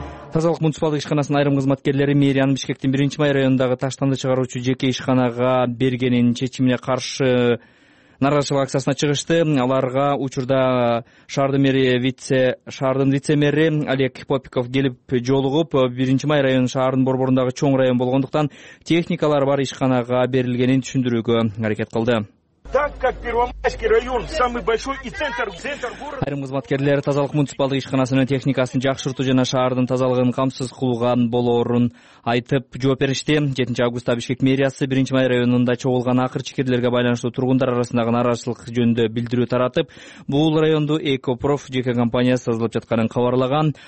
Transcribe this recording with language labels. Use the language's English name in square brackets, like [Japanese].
[Kyrgyz] Тазалык муниципалдык ишканасынын айрым кызматкерлери мэриянын Бишкектин 1 май районундагы таштанды чыгаруучу жеке ишканага бергенин чечимине каршы нааразычылык акциясына чыгышты. Аларга учурда шаардын вице мэри Олег Попиков келип жолугуп, 1 май районун шаардын борборундагы чоң район болгондуктан техникалар бар ишканага берилгенин түшүндүрүүгө аракет кылды. [Russian] Так как Первомайский район самый большой и центр города. [Kyrgyz] Айрым кызматкерлер тазалык муниципалдык ишканасынын техникасын жакшыртуу жана шаардын тазалыгын камсыз кылууга болоорун айтып жооп беришти. 7 августта Бишкек мэриясы 1 май районунда чогулган акыр чикирлерге байланыштуу тургундар арасындагы нааразычылык жөнүндө билдирүү таратып, бул районду Экопроф жеке компаниясы тазалап жатканын кабарлаган.